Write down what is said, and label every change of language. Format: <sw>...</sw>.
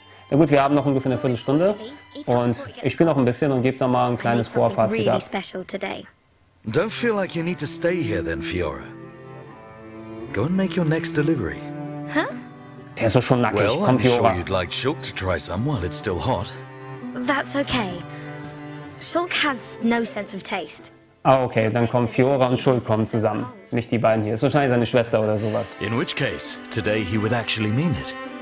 <de>Na gut, wir haben noch ungefähr eine Viertelstunde und ich spiele noch ein bisschen und gebe da mal ein kleines Vorfazit ab.</de> <en>Don't feel like you need to stay here then, Fiora. Go and make your next delivery.</en> <de>Huh? Der ist doch schon nackig, well, komm, Fiora.</de> <en>Well, I'm sure you'd like Shulk to try some while it's still hot. That's okay. Shulk has no sense of taste.</en> <de>Ah, okay, dann kommen Fiora und Shulk kommen zusammen. Nicht die beiden hier. Ist wahrscheinlich seine Schwester oder sowas.</de> <en>In which case, today he would actually mean it.</en>